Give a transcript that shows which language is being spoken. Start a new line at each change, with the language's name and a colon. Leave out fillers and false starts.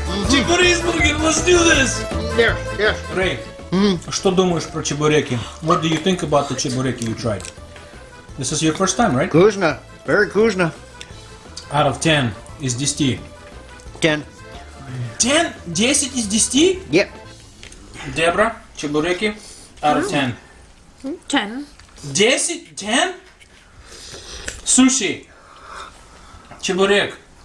English: Чебуризбургер, let's do this! Yeah, yeah.
Russian: Рэй, что думаешь про чебуреки?
English: What do you think about the чебуреки you tried? This is your first time, right? Кузна, very кузна. Out of 10,
Russian: из 10?
English: 10.
Russian: 10 из 10?
English: Yep. Дебра, чебуреки, out of 10? 10.
Russian: 10? 10? Суши, чебурек.